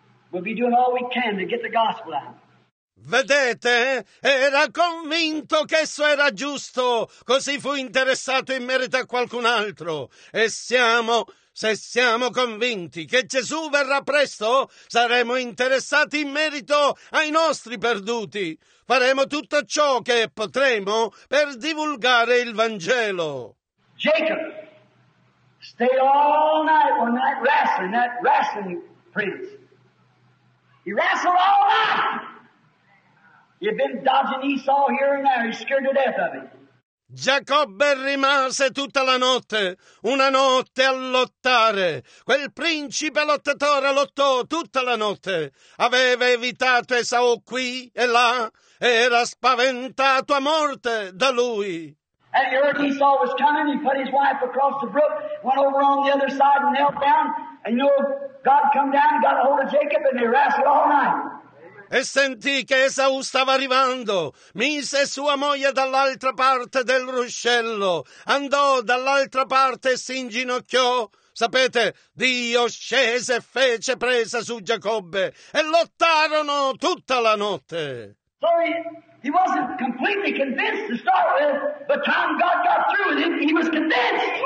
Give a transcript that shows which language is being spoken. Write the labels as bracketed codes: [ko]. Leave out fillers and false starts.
[en] We'll be doing all we can to get the gospel out. [it] Vedete, era convinto che esso era giusto, così fu interessato in merito a qualcun altro. Se siamo convinti che Gesù verrà presto, saremo interessati in merito ai nostri perduti. Faremo tutto ciò che potremo per divulgare il Vangelo. [en] Jacob stayed all night on that wrestling prince. He wrestled all night. He had been dodging Esau here and there. He's scared to death of him. [it] Giacobbe rimase tutta la notte, una notte a lottare. Quel principe lottatore lottò tutta la notte. Aveva evitato Esau qui e là. Era spaventato a morte da lui. [en] And he heard Esau was coming. He put his wife across the brook, went over on the other side and knelt down. And you know, God come down and got a hold of Jacob and they wrestled all night. [it] E sentì che Esau stava arrivando, mise sua moglie dall'altra parte del ruscello, andò dall'altra parte e si inginocchiò. Sapete, Dio scese e fece presa su Giacobbe e lottarono tutta la notte. [en] So he wasn't completely convinced to start with, but time God got through with him, he was convinced.